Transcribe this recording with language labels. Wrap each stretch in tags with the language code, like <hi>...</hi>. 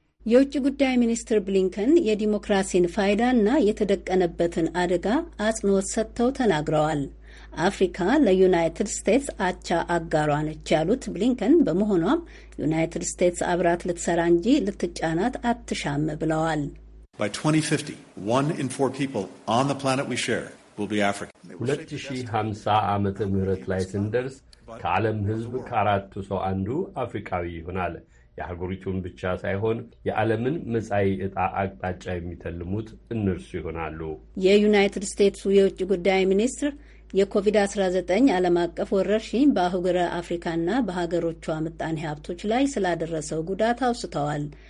<am>የውጭ ጉዳይ ሚኒስትር ብሊንከን የዲሞክራሲን ፋይዳና የተደቀነበትን አደጋ አጽንኦት ሰጥተው ተናግረዋል። አፍሪካ ለዩናይትድ ስቴትስ አቻ አጋሯ ነች ያሉት ብሊንከን በመሆኗም ዩናይትድ ስቴትስ አብራት ልትሰራ እንጂ ልትጫናት አትሻም ብለዋል።</am> <en>By 2050, one in four people on the planet we share will be African.</en> <am>2050 ዓመተ ምህረት ላይ ስንደርስ ከዓለም ሕዝብ ከአራቱ ሰው አንዱ አፍሪካዊ ይሆናል። የሀገሪቱን ብቻ ሳይሆን የዓለምን መጻኢ ዕጣ አቅጣጫ የሚተልሙት እነርሱ ይሆናሉ። የዩናይትድ ስቴትስ የውጭ ጉዳይ ሚኒስትር የኮቪድ-19 ዓለም አቀፍ ወረርሽኝ በአህጉረ አፍሪካና በሀገሮቿ ምጣኔ ሀብቶች ላይ ስላደረሰው ጉዳት አውስተዋል።</am>